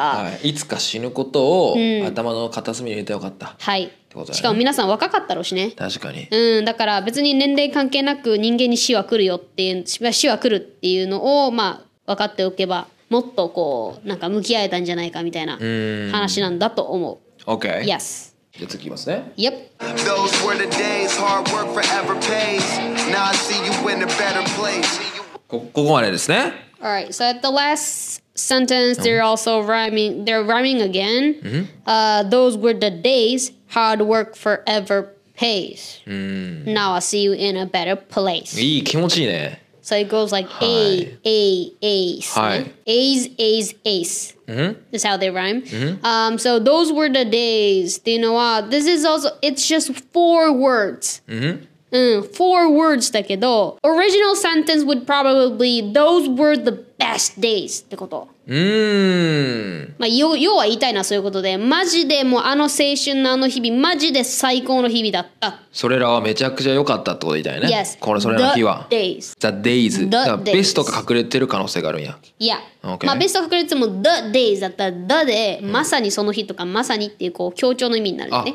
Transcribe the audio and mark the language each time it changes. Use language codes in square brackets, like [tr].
[ja] はい、いつか死ぬことを頭の片隅に入れてよかった、はいってことだね。しかも皆さん若かったろうしね。確かに、だから別に年齢関係なく人間に死は来るよっていう、死は来るっていうのをまあ分かっておけばもっとこうなんか向き合えたんじゃないかみたいな話なんだと思う。 [en] OK Yes [ja] じゃあ次いきますね。 [en] Yep. Those were the days hard work forever pays. Now I see you in a better place. [ja] ここまでですね。 [en] Alright, so at the last sentence, they're also rhyming. They're rhyming again. Those were the days hard work forever pays. Now I see you in a better place. [ja] いい、気持ちいいね。 [en] So it goes like A, A, A's. A's, A's, A's. Mm-hmm. That's how they rhyme. Mm-hmm. So those were the days. Do you know what? This is also, it's just four words. Mm-hmm. Four words [ja] だけど. [en] Original sentence would probably be, those were the best days [ja] ってこと。うーん、まあ、要は言いたいのはそういうことで、マジでもうあの青春のあの日々、マジで最高の日々だった、それらはめちゃくちゃ良かったってこと言いたいね。 [en] Yes、 [ja] これそれらの日は [en] The days、 The days、 [ja] だからベストが隠れてる可能性があるんや。 [en] Yeah、 okay、 [ja] まあベスト隠れても [en] The days [ja] だったら The で、うん、まさにその日とかまさにっていうこう強調の意味になるね。